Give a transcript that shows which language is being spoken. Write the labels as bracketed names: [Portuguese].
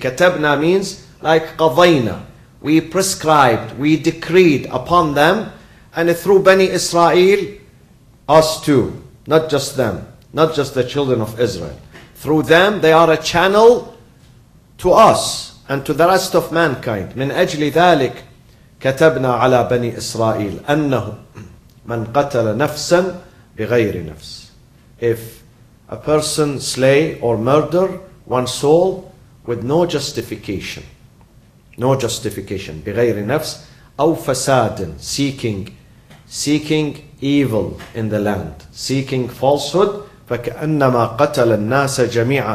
[English] كتبنا means like قضينا. We prescribed, we decreed upon them and through بني إسرائيل, us too. Not just them, not just the children of Israel. Through them, they are a channel to us and to the rest of mankind. [Arabic] من أجل ذلك كتبنا على بني إسرائيل أنه من قتل نفسا بغير نفس. [English] If a person slay or murder one soul with no justification, no justification, [Arabic] بغير نفس أو فساد, [English] seeking evil in the land, seeking falsehood, [Arabic] فكأنما قتل الناس جميعا.